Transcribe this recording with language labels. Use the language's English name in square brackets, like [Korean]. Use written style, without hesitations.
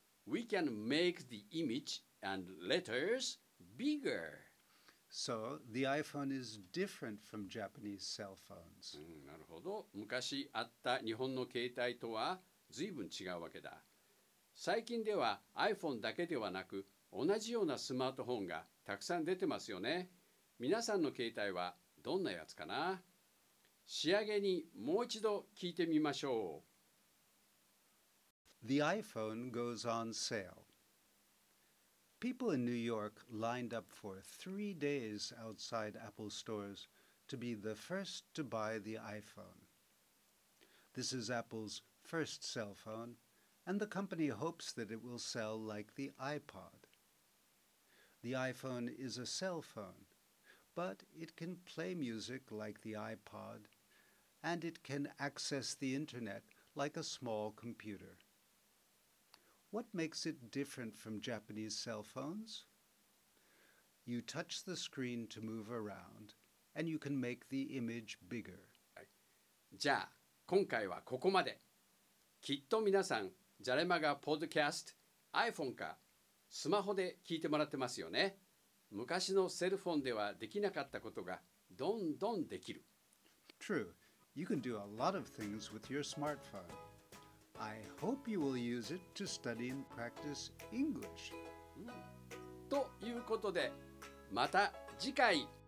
[English] We can make the image and letters bigger. So, the iPhone is different from Japanese cell phones. [Japanese] なるほど。昔あった日本の携帯とは随分違うわけだ。最近では iPhone だけではなく、同じようなスマートフォンがたくさん出てますよね。皆さんの携帯はどんなやつかな？仕上げにもう一度聞いてみましょう。 [English] The iPhone goes on sale. People in New York lined up for 3 days outside Apple stores to be the first to buy the iPhone. This is Apple's first cell phone, and the company hopes that it will sell like the iPod. The iPhone is a cell phone, but it can play music like the iPod, and it can access the internet like a small computer. What makes it different from Japanese cell phones? You touch the screen to move around, and you can make the image bigger. [Japanese] じゃあ、今回はここまで。きっと皆さん、ジャレマガポッドキャスト、iPhone かスマホで聞いてもらってますよね。昔のセルフォンではできなかったことがどんどんできる。 [English] True. You can do a lot of things with your smartphone. I hope you will use it to study and practice English. [Japanese] ということで、また次回。